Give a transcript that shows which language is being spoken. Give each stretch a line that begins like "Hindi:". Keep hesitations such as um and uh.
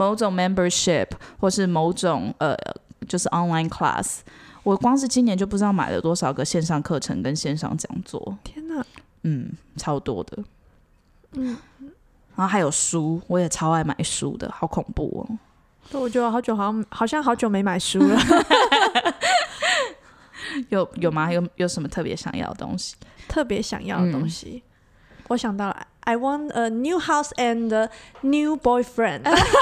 English: membership
Chinese: 或是某种,
English: uh, just online class.
Chinese: 我光是今年就不知道买了多少个线上课程跟线上讲座，天哪，嗯，超多的，嗯，然后还有书，我也超爱买书的，好恐怖哦！对，我觉得好久好像好像好久没买书了。有有吗？有有什么特别想要的东西？特别想要的东西，嗯、我想到了，
English: I want a new house and a new boyfriend 。